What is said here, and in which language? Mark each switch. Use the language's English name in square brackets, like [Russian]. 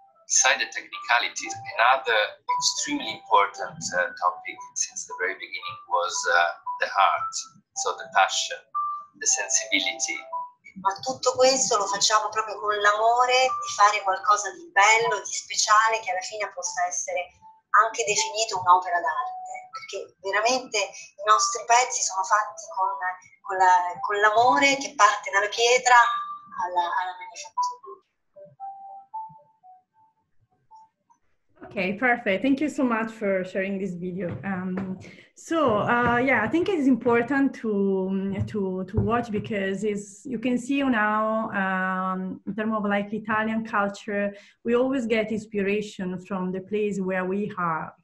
[English] Beside the technicalities, another extremely important topic since the very beginning was the heart, so the passion, the sensibility. [Italian] Ma tutto questo lo facciamo proprio con l'amore di fare qualcosa di bello, di speciale, che alla fine possa essere anche definito un'opera d'arte. Perché veramente i nostri pezzi sono fatti con l'amore che parte dalla pietra alla manifattura. [English] Okay, perfect. Thank you so much for sharing this video. So I think it's important to watch, because it's, you can see now in terms of like Italian culture, we always get inspiration from the place where we are.